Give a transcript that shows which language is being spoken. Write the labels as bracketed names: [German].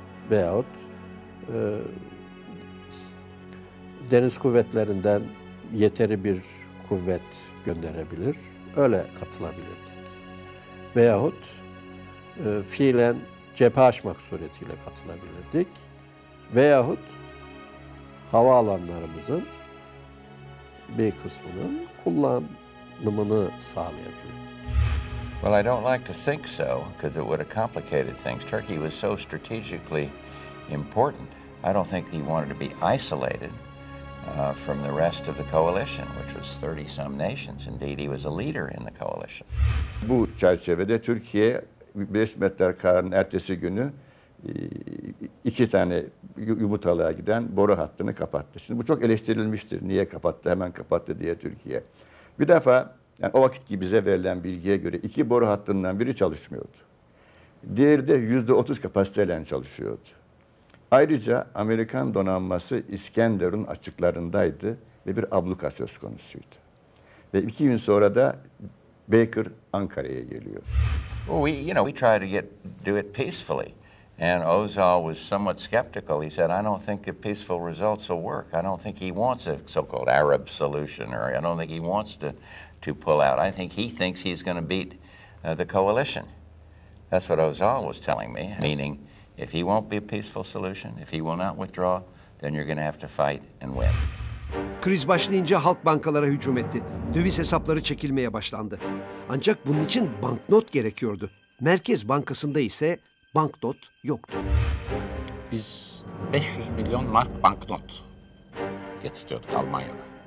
[Turkish] Veyahut deniz kuvvetlerinden yeteri bir kuvvet gönderebilir, öyle katılabilirdik. Veyahut fiilen cephe açmak suretiyle katılabilirdik. Veyahut havaalanlarımızın bir kısmının kullanımını sağlayabilirdik. [English] Well, I don't like to think so, because it would have complicated things. Turkey was so strategically important, I don't think he wanted to be isolated from the rest of the coalition, which was 30 some nations. Indeed, he was a leader in the coalition. [Turkish] Bu çerçevede Türkiye Birleşmiş Milletler kararının ertesi günü iki tane yumurtalığa giden boru hattını kapattı. Şimdi bu çok eleştirilmiştir. Niye kapattı? Hemen kapattı diye Türkiye. Bir defa, yani o vakitki bize verilen bilgiye göre iki boru hattından biri çalışmıyordu. Diğeri de %30 kapasiteyle çalışıyordu. Ayrıca Amerikan donanması İskenderun açıklarındaydı ve bir abluka söz konusuydu. Ve iki gün sonra da Baker Ankara'ya geliyor. [English] Well, we try to do it peacefully. And Özal was somewhat skeptical. He said, I don't think the peaceful results will work. I don't think he wants a so-called Arab solution, or I don't think he wants to pull out. I think he thinks he's going to beat the coalition. That's what Özal was telling me, meaning, if he won't be a peaceful solution, if he will not withdraw, then you're going to have to fight and win. [Turkish] Kriz başlayınca halk bankalara hücum etti. Döviz hesapları çekilmeye başlandı. Ancak bunun için banknot gerekiyordu. Merkez Bankası'nda ise banknot yoktu. Biz 500 milyon mark banknot getiriyorduk Almanya'da.